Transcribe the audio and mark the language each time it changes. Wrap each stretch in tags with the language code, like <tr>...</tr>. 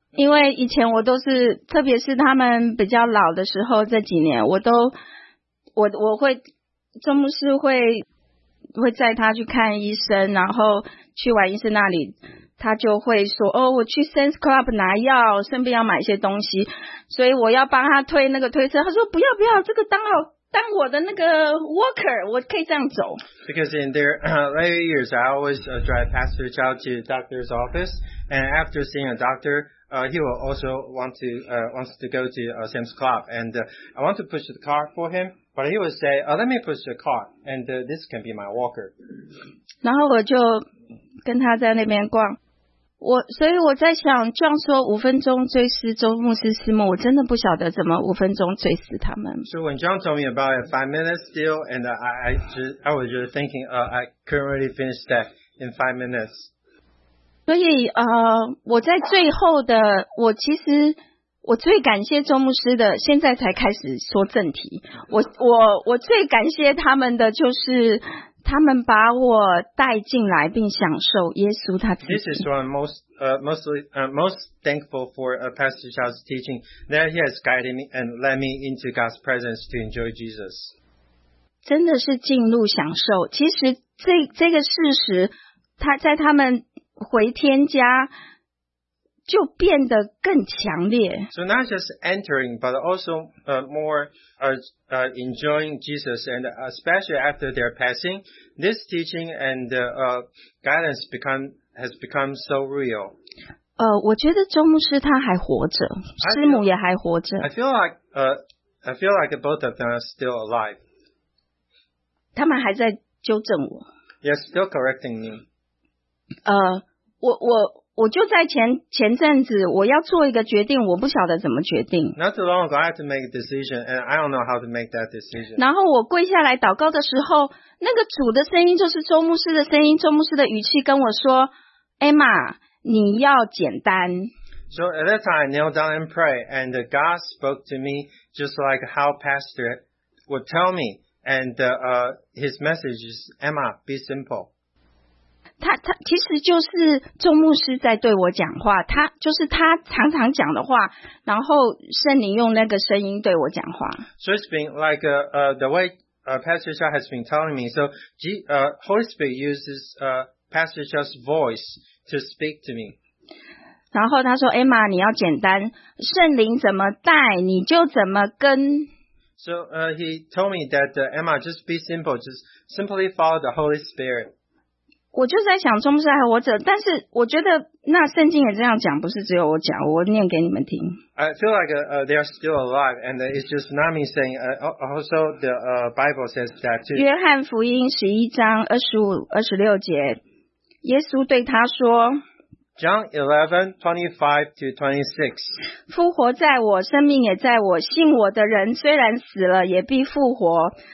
<zh>因为以前我都是，特别是他们比较老的时候，这几年我都，我会，周牧师会带他去看医生，然后去完医生那里，他就会说，哦，我去 Sam's Club 拿药，顺便要买一些东西，所以我要帮他推那个推车，他说不要不要，这个当好。当我的那个 walker， 我可以这样走。</zh> <en>Because in their later years, I always drive Pastor Chow to doctor's office, and after seeing a doctor, he will also wants to go to Sam's Club, and I want to push the car for him, but he will say, "Let me push the car, and this can be my walker."</en> <zh>然后我就跟他在那边逛，所以我在想，这样说五分钟追思周牧师师母，我真的不晓得怎么五分钟追思他们。</zh> <en>So when John told me about a 5 minutes deal, and I was just thinking, I couldn't really finish that in 5 minutes.</en> <zh>所以我在最后的，我最感谢周牧师的，现在才开始说正题。我最感谢他们的就是。他们把我带进来并享受耶稣他自己。</zh> <en>This is one most thankful for Pastor Charles' teaching that he has guided me and led me into God's presence to enjoy Jesus.</en> <zh>真的是进入享受。其实这个事实，他在他们回天家就变得更强烈。</zh> <en>So not just entering, but also enjoying Jesus, and especially after their passing, this teaching and guidance has become so real.</en> <zh>我觉得周牧师他还活着，师母也还活着。</zh> <en>I feel like both of them are still alive.</en> <zh>他们还在纠正我。</zh> <en>Yes, still correcting me.</en> <zh>我就在前阵子，我要做一个决定，我不晓得怎么决定。</zh> <en>Not too long ago, I had to make a decision, and I don't know how to make that decision.</en> <zh>然后我跪下来祷告的时候，那个主的声音就是周牧师的声音，周牧师的语气跟我说 ：“Emma， 你要简单。”</zh> <en>So at that time, I kneeled down and prayed, and God spoke to me just like how Pastor would tell me, and his message is, "Emma, be simple."</en> <zh>他其实就是周牧师在对我讲话，他就是他常常讲的话，然后圣灵用那个声音对我讲话。</zh> <en>So it's been like the way Pastor Chow has been telling me. So Holy Spirit uses Pastor Chow's voice to speak to me.</en> <zh>然后他说 ：“Emma， 你要简单，圣灵怎么带你就怎么跟。”</zh> <en>So he told me that Emma just be simple, just simply follow the Holy Spirit.</en> <zh>我就在想，中世还活着，但是我觉得那圣经也这样讲，不是只有我讲，我念给你们听。</zh> <en>I feel like they are still alive, and it's just not me saying. Also, the Bible says that too.</en> <zh>约翰福音十一章二十五、二十六节，耶稣对他说</zh> <en>：“John 11:25-26。”</en> <zh>复活在我，生命也在我，信我的人虽然死了，也必复活。</zh>